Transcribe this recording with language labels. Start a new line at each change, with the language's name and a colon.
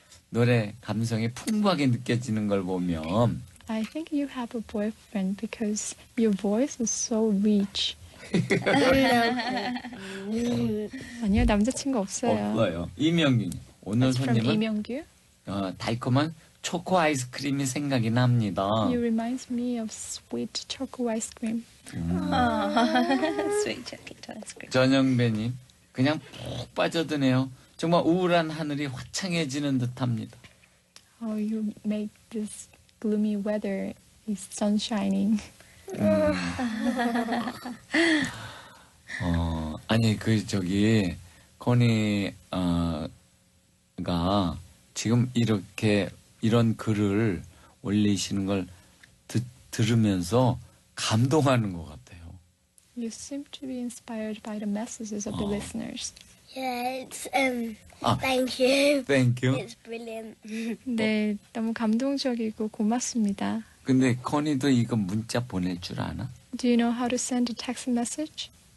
Korean: 노래 감성이 풍부하게 느껴지는 걸 보면
English: I think you have a boyfriend because your voice is so rich. No.
Korean: 아니요, 남자친구 없어요. 없어요. 이명균님 오늘
English: That's from
Korean: 손님은 이명규. 달콤한 초코 아이스크림이 생각이 납니다.
English: You reminds me of sweet choco ice cream. Sweet chocolate ice cream.
Korean: 전영배님, 그냥 푹 빠져드네요. 정말 우울한 하늘이 화창해지는 듯합니다.
English: Oh, you make this gloomy weather is sunshining.
Korean: 아니 그 저기 코니 가 지금 이렇게 이런 글을 올리시는 걸 들으면서 감동하는 것 같아요.
English: You seem to be inspired by the messages of the listeners. Yeah, thank you. thank you. It's brilliant.
Korean: 네, 너무 감동적이고 고맙습니다. 근데 커니도 이거 문자 보낼 줄 아나?
English: Do you know how to send a text message?